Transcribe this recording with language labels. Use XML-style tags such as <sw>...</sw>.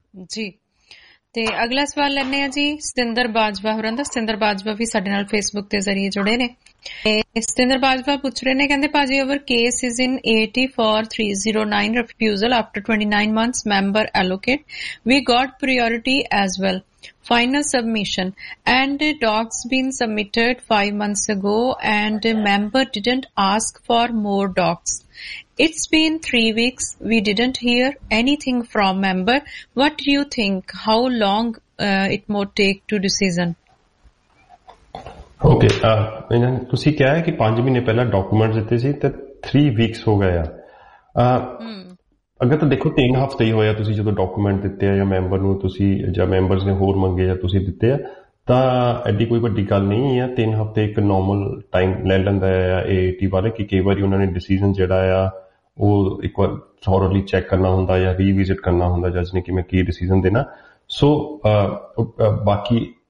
<pa>ਜੀ ਤੇ ਅਗਲਾ ਸਵਾਲ ਲੈਣੇ ਆ ਜੀ ਸਤਿੰਦਰ ਬਾਜਵਾ ਹੋਰਾਂ ਦਾ ਸਤਿੰਦਰ ਬਾਜਵਾ ਵੀ ਸਾਡੇ ਨਾਲ ਫੇਸਬੁੱਕ ਦੇ ਜ਼ਰੀਏ ਜੁੜੇ ਨੇ ਸਤਿੰਦਰ ਬਾਜਵਾ ਪੁੱਛ ਰਹੇ ਨੇ ਕਹਿੰਦੇ ਭਾਜੀ</pa> <en>Our case is in 84309 refusal after 29 months member allocate we got priority as well final submission and docs been submitted 5 months ago and member didn't ask for more docs It's been 3 weeks. We didn't hear anything from member. What do you think? How long it may take to decision? Okay.</en> <pa>ਤੁਸੀਂ ਕਿਹਾ ਹੈ ਕਿ 5 ਮਹੀਨੇ ਪਹਿਲਾਂ document ਦਿੱਤੇ ਸੀ ਤੇ 3 weeks ਹੋ ਗਏ ਆ ਅਗਰ ਤਾਂ ਦੇਖੋ 3 ਹਫ਼ਤੇ ਹੀ ਹੋਇਆ ਤੁਸੀਂ ਜਦੋਂ ਡਾਕੂਮੈਂਟ ਦਿੱਤੇ ਆ ਜਾਂ ਮੈਂਬਰ ਨੂੰ ਤੁਸੀਂ ਜਾਂ ਮੈਂਬਰਸ ਨੇ ਹੋਰ ਮੰਗੇ ਜਾਂ ਤੁਸੀਂ ਦਿੱਤੇ ਆ ਤਾਂ ਐਡੀ ਕੋਈ ਵੱਡੀ ਗੱਲ ਨਹੀਂ ਆ 3 ਹਫ਼ਤੇ ਇੱਕ ਨੋਰਮਲ ਟਾਈਮ ਲੈ ਲੈਂਦਾ ਆ AAT ਵਾਲੇ ਕਿ ਕਈ ਵਾਰੀ ਉਹਨਾਂ ਨੇ ਡਿਸੀਜ਼ਨ ਜਿਹੜਾ ਆ ਉਹ ਇੱਕ ਵਾਰ ਥੋਰਲੀ ਚੈੱਕ ਕਰਨਾ ਹੁੰਦਾ ਜਾਂ ਰੀਵਿਜ਼ਿਟ ਕਰਨਾ ਹੁੰਦਾ ਜੱਜ ਨੇ ਕਿ ਮੈਂ ਕੀ ਡਿਸੀਜ਼ਨ ਦੇਣਾ ਸੋ ਬਾਕੀ</pa>